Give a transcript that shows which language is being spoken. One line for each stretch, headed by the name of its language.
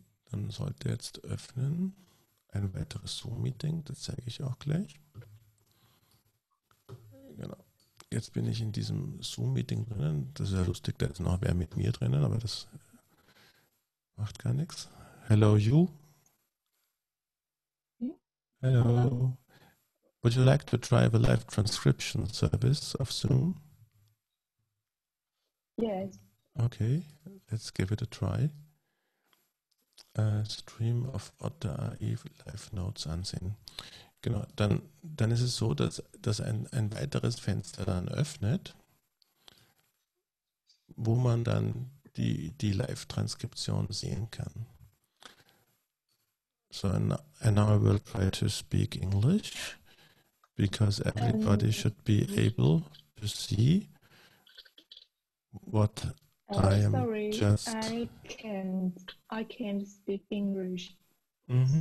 German: Dann sollte jetzt öffnen ein weiteres Zoom-Meeting, das zeige ich auch gleich. Genau. Jetzt bin ich in diesem Zoom-Meeting drinnen. Das ist ja lustig, da ist noch wer mit mir drinnen, aber das macht gar nichts.
English: Hello, you. Hello. Would you like to try the live transcription service of Zoom? Yes. Okay, let's give it a try. Stream of Otter.ai Live Notes ansehen.
German: Genau, dann ist es so, dass ein weiteres Fenster dann öffnet, wo man dann die Live-Transkription sehen kann.
English: So, and now I will try to speak English, because everybody should be able to see what I am just... I can't speak English. Mm-hmm.